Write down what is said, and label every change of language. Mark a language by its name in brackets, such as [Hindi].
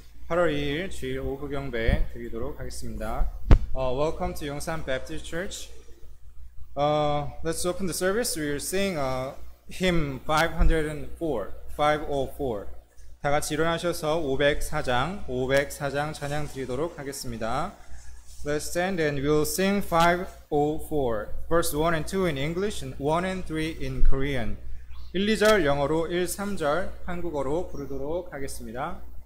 [Korean] 8월 2일 주일 오후 경배 드리도록 하겠습니다. [English] Welcome to Yongsan Baptist Church. Let's open the service. We are singing hymn 504. [Korean] 다 같이 일어나셔서 504장 찬양 드리도록 하겠습니다. [English] Let's stand and we'll sing 504. Verse 1 and 2 in English and 1 and 3 in Korean. [Korean] 1, 2절 영어로, 1, 3절 한국어로 부르도록 하겠습니다.